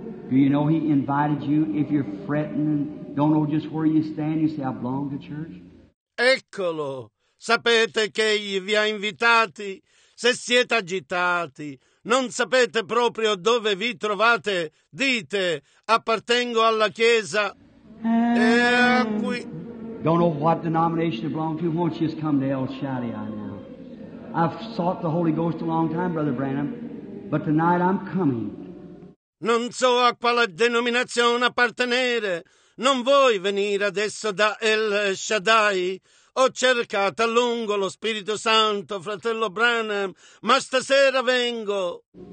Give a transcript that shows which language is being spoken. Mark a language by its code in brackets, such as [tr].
[en] Do you know he invited you? If you're fretting and don't know just where you stand, you say, I belong to church. [it] Eccolo. Sapete che egli vi ha invitati? Se siete agitati, non sapete proprio dove vi trovate, dite, appartengo alla Chiesa. E a qui. [en] Don't know what denomination you belong to, won't you just come to El Shaddai now? I've sought the Holy Ghost a long time, Brother Branham, but tonight I'm coming. [it] Non so a quale denominazione appartenere, non vuoi venire adesso da El Shaddai? Ho cercato a lungo lo Spirito Santo, fratello Branham, ma stasera vengo.